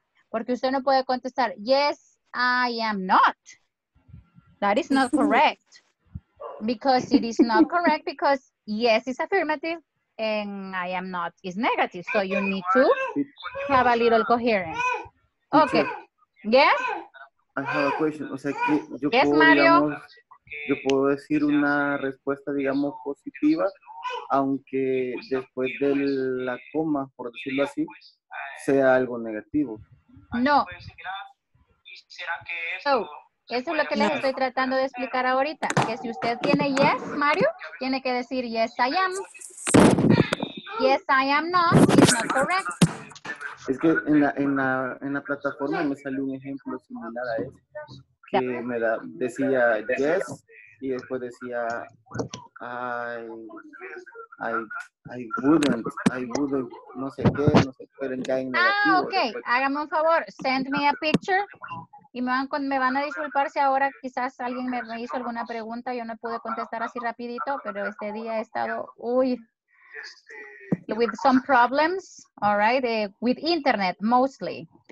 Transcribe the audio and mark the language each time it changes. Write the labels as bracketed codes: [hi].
[es] Porque usted no puede contestar, [en] yes, I am not. That is not correct. Because it is not correct, because yes is affirmative, and I am not is negative, so you need to have a little coherence. Okay. Yes? I have a question. [es] O sea, que yo yes, puedo, Mario. Digamos, yo puedo decir una respuesta, digamos, positiva, aunque después de la coma, por decirlo así, sea algo negativo. No. So, eso es lo que les estoy tratando de explicar ahorita, que si usted tiene yes, Mario, tiene que decir [en] yes, I am. Yes, I am not. It's not correct. [es] Es que en la plataforma me salió un ejemplo similar a ese. Que yeah. Me da, decía yes y después decía [en] I wouldn't, [es] no sé qué, pero ya en negativo. Ah, ok. Después. Hágame un favor. [en] Send me a picture. [es] Y me van a disculpar si ahora quizás alguien me hizo alguna pregunta. Yo no pude contestar así rapidito, pero este día he estado, uy. [en] With some problems, all right, with internet mostly.